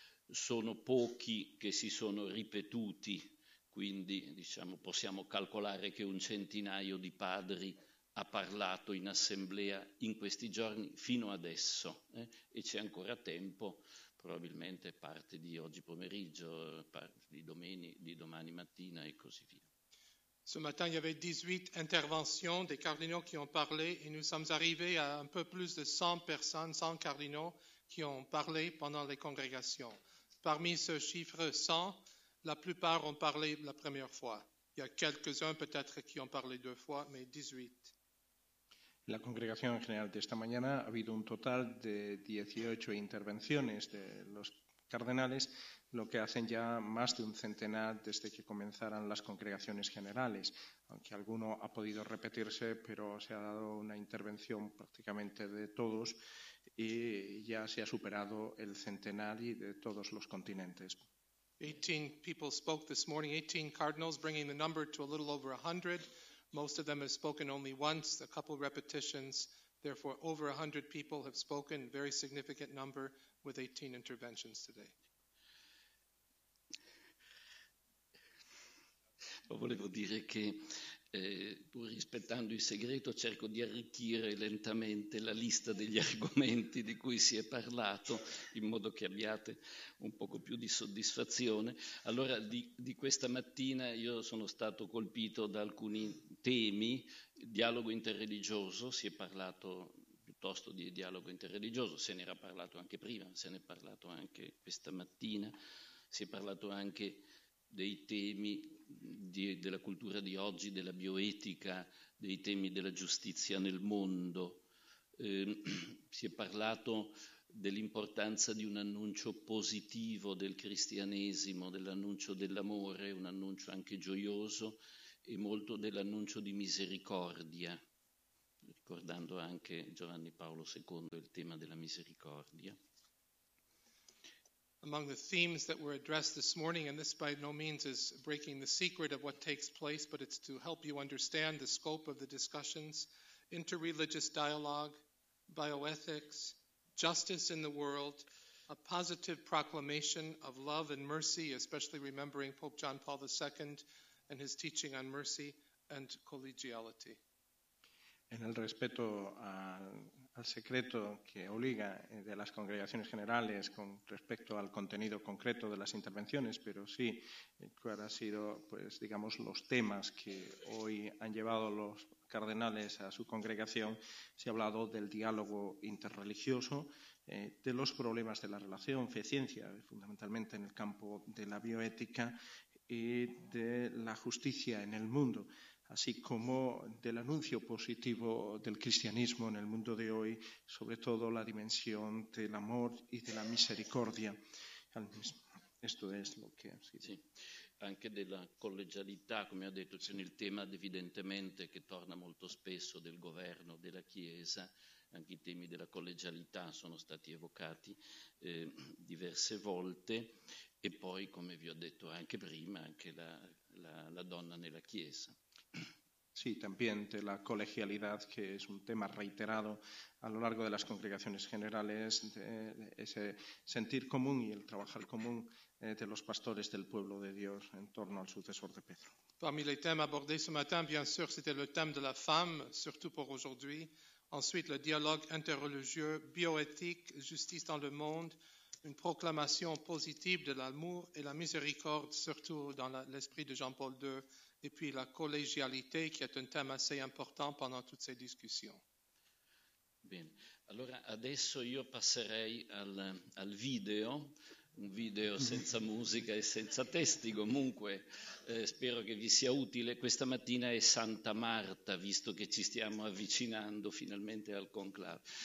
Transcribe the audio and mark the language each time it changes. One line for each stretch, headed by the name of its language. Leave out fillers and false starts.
Italian: sono pochi che si sono ripetuti, quindi diciamo, possiamo calcolare che un centinaio di padri ha parlato in assemblea in questi giorni fino adesso, e c'è ancora tempo, probabilmente parte di oggi pomeriggio, parte di domani mattina e così via.
French: Ce matin, il y avait 18 interventions des cardinaux qui ont parlé et nous sommes arrivés à un peu plus de 100 personnes, 100 cardinaux qui ont parlé pendant les congrégations. Parmi ce chiffre 100, la plupart ont parlé la première fois. Il y a quelques-uns peut-être qui ont parlé deux fois, mais 18. La congrégation en général
Spanish: de esta mañana ha habido un total de 18 intervenciones de los cardenales, lo que hacen ya más de un centenar desde que comenzaron las congregaciones generales, aunque alguno ha podido repetirse, pero se ha dado una intervención prácticamente de todos y ya se ha superado el centenar y de todos los continentes.
English: 18 people spoke this morning, 18 cardinals, bringing the number to a little over 100. Most of them have spoken only once, a couple repetitions. Therefore, over 100 people have spoken, very significant number, with 18 interventions today.
Italian: Volevo dire che, pur rispettando il segreto, cerco di arricchire lentamente la lista degli argomenti di cui si è parlato, in modo che abbiate un poco più di soddisfazione. Allora, di questa mattina io sono stato colpito da alcuni temi. Dialogo interreligioso, si è parlato piuttosto di dialogo interreligioso, se ne era parlato anche prima, se ne è parlato anche questa mattina, si è parlato anche dei temi della cultura di oggi, della bioetica, dei temi della giustizia nel mondo. Si è parlato dell'importanza di un annuncio positivo del cristianesimo, dell'annuncio dell'amore, un annuncio anche gioioso, e molto dell'annuncio di misericordia, ricordando anche Giovanni Paolo II, il tema della misericordia.
English: Among the themes that were addressed this morning, and this by no means is breaking the secret of what takes place, but it's to help you understand the scope of the discussions, interreligious dialogue, bioethics, justice in the world, a positive proclamation of love and mercy, especially remembering Pope John Paul II and his teaching on mercy and collegiality.
Spanish: En el respeto al secreto que obliga de las congregaciones generales con respecto al contenido concreto de las intervenciones, pero sí cuáles han sido, pues digamos, los temas que hoy han llevado los cardenales a su congregación, se ha hablado del diálogo interreligioso, de los problemas de la relación fe-ciencia, fundamentalmente en el campo de la bioética, y de la justicia en el mundo, así como del anuncio positivo del cristianismo en el mundo de hoy, sobre todo la dimensión del amor y de la misericordia. Esto es lo que... Sí, sí.
Italian: Anche della collegialità, come ha detto, c'è il tema evidentemente che torna molto spesso del governo, della Chiesa, anche i temi della collegialità sono stati evocati diverse volte, e poi, come vi ho detto anche prima, anche la donna nella Chiesa.
Spanish: Sí, también de la colegialidad, que es un tema reiterado a lo largo de las congregaciones generales, de ese sentir común y el trabajar común de los pastores del pueblo de Dios en torno al sucesor de Pedro.
French: Parmi les thèmes abordés ce matin, bien sûr, c'était le thème de la femme, surtout pour aujourd'hui. Ensuite, le dialogue interreligieux, bioéthique, justice dans le monde, une proclamation positive de l'amour et la miséricorde, surtout dans l'esprit de Jean-Paul II, et puis la collégialité, qui est un thème assez important pendant toutes ces discussions. Bien.
Italian: Allora, adesso io passerei al video, un video senza musica e senza testi, comunque spero che vi sia utile. Questa mattina è Santa Marta, visto che ci stiamo avvicinando finalmente al conclave.